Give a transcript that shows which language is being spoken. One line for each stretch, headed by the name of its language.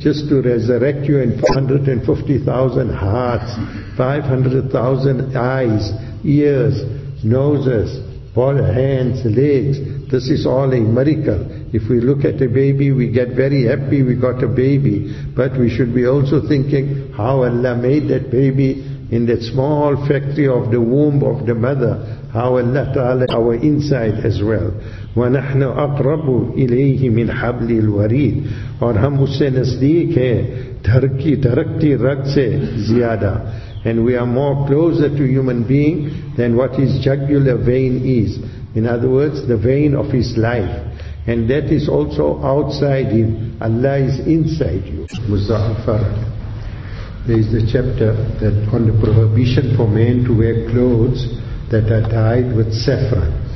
English: Just to resurrect you in 450,000 hearts, 500,000 eyes, ears, noses, all hands, legs. This is all a miracle. If we look at a baby, we get very happy we got a baby. But we should be also thinking how Allah made that baby in that small factory of the womb of the mother. How Allah Ta'ala, our inside as well.
Arabic: وَنَحْنَ أَقْرَبُ إِلَيْهِ مِنْ حَبْلِ الْوَرِيدِ
Urdu: اور ہم اس سے نزدیک ہیں دھرکتی رگ سے زیادہ.
English: And we are more closer to human being than what his jugular vein is. In other words, the vein of his life. And that is also outside him. Allah is inside you. Muzaffar. There is the chapter that on the prohibition for men to wear clothes that are dyed with saffron.